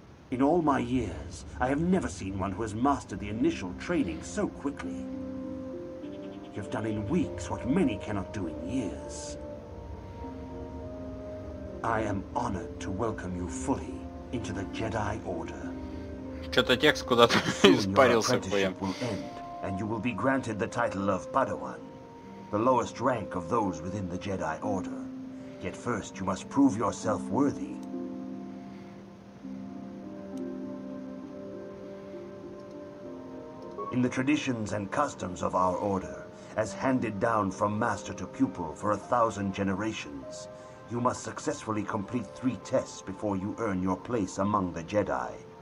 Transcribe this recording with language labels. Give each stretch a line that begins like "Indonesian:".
English: In all my years, I have never seen one who has mastered the initial training so quickly. You've done in weeks what many cannot do in years. I am honored to welcome you fully into the Jedi Order.
Russian: Что-то текст куда-то испарился, блин.
English: Your apprenticeship will end, and you will be granted the title of Padawan, the lowest rank of those within the Jedi Order. Yet first, you must prove yourself worthy. In the traditions and customs of our order, as handed down from master to pupil for 1,000 generations, you must successfully complete 3 tests before you earn your place among the Jedi.